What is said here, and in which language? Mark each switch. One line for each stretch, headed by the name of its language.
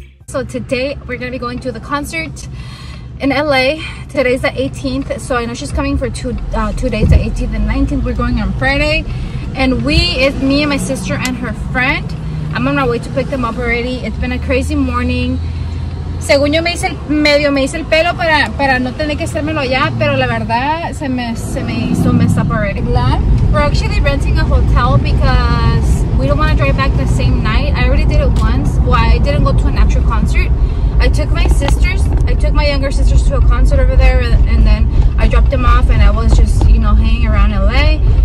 English: So today we're gonna be going to the concert in LA. Today's the 18th, so I know she's coming for two days, the 18th and 19th. We're going on Friday. And it's me and my sister and her friend. I'm on my way to pick them up already. It's been a crazy morning.
Spanish: Según yo me hice el pelo para no tener que hacérmelo ya, pero la verdad se me hizo
English: mess up already. We're actually renting a hotel because we don't want to drive back the same night. I already did it once. Well, I didn't go to an actual concert. I took my younger sisters to a concert over there, and then I dropped them off and I was just, you know, hanging around LA.